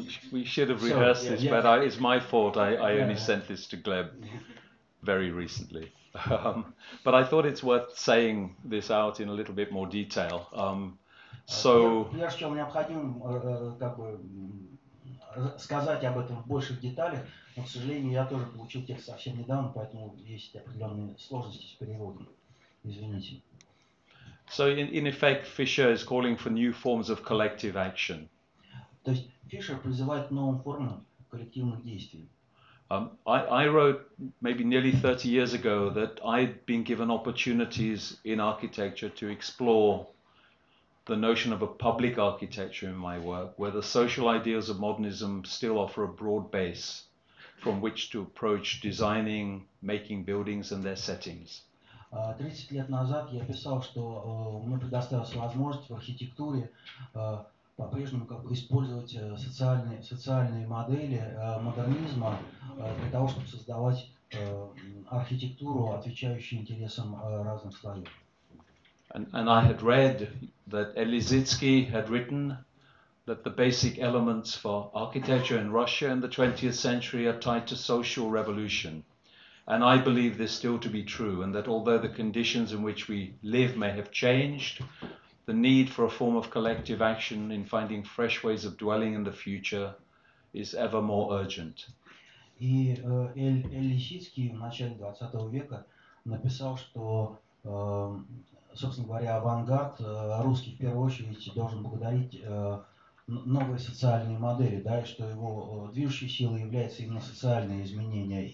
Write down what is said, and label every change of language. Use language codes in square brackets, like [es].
[en] we should have rehearsed it's my fault. I only sent this to Gleb very recently. But I thought it's worth saying this out in a little bit more detail. [ru] Я необходимо как бы сказать об этом в больших деталях, но, к сожалению, я тоже получил текст совсем недавно, поэтому есть определенные сложности с переводом. Извините. [en] So in effect, Fisher is calling for new forms of collective action. [ru] То есть Фишер призывает к новым формам коллективных действий. [en] I wrote maybe nearly 30 years ago that I'd been given opportunities in architecture to explore the notion of a public architecture in my work, where the social ideals of modernism still offer a broad base from which to approach designing, making buildings and their settings. [ru] 30 лет назад я писал, что мне предоставилась возможность в архитектуре по-прежнему как бы использовать социальные модели модернизма для того, чтобы создавать архитектуру, отвечающую интересам разных слоев. [en] And I had read that Elizitsky had written that the basic elements for architecture in Russia in the 20th century are tied to social revolution. And I believe this still to be true, and that although the conditions in which we live may have changed, the need for a form of collective action in finding fresh ways of dwelling in the future is ever more urgent. [ru] И Лисицкий в начале 20 века написал, что, собственно говоря, авангард русский в первую очередь должен благодарить новые социальные модели, да, и что его движущей силой является именно социальные изменения.